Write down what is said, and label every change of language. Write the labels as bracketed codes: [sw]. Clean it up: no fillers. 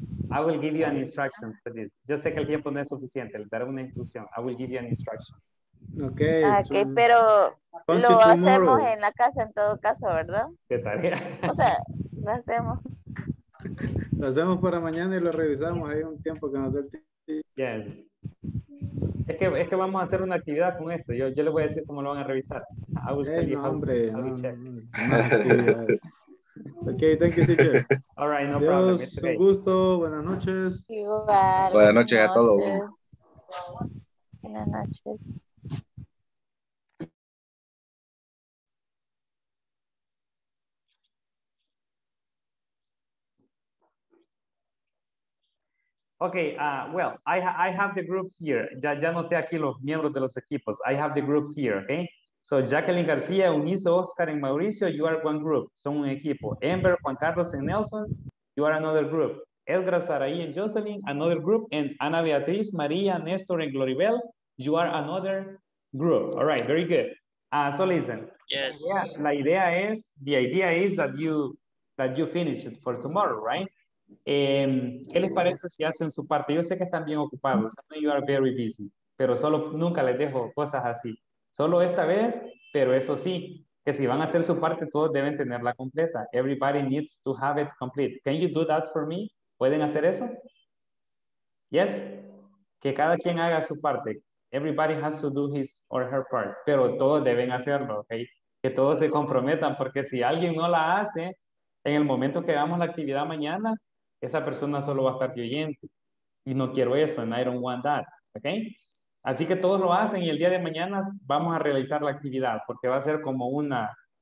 [en] I will give you an instruction for this. [es] Yo sé que el tiempo no es suficiente. Le daré una instrucción. [en] I will give you an instruction. Okay, [es] pero lo hacemos en la casa en todo caso, ¿verdad? ¿Qué tarea? O sea, lo hacemos. Lo hacemos para mañana y lo revisamos. Hay un tiempo que nos dé el tiempo. [en] Yes. [es] Es que vamos a hacer una actividad con esto. Yo le voy a decir cómo lo van a revisar. [en] Okay, thank you, teacher. All right, no [es] adiós, [en] problem. [es] Un okay. Gusto, buenas noches. Igual. Buenas noches a todos. Buenas noches. [en] Okay, well, I have the groups here. [es] Ya noté aquí los miembros de los equipos. [en] I have the groups here, okay? So, Jacqueline García, Eunice, Oscar, and Mauricio, you are one group. [es] Son un equipo. [en] Amber, Juan Carlos, and Nelson, you are another group. Edgar, Sarai, and Jocelyn, another group. And Ana Beatriz, Maria, Nestor, and Gloribel, you are another group. All right, very good. So, listen. Yes. Yeah, the idea is that you finish it for tomorrow, right? [es] ¿Qué les parece si hacen su parte? Yo sé que están bien ocupados, [en] I know you are very busy, [es] pero solo nunca les dejo cosas así, solo esta vez, pero eso sí, que si van a hacer su parte, todos deben tenerla completa. [en] Everybody needs to have it complete. Can you do that for me? [es] ¿Pueden hacer eso? [en] Yes? [es] Que cada quien haga su parte. [en] Everybody has to do his or her part, [es] pero todos deben hacerlo, ¿okay? Que todos se comprometan, porque si alguien no la hace, en el momento que hagamos la actividad mañana, esa persona solo va a estar de oyente. Y no quiero eso, [en] and I don't want that. Okay? [es] Así que todos lo hacen y el día de mañana vamos a realizar la actividad porque va a ser como una...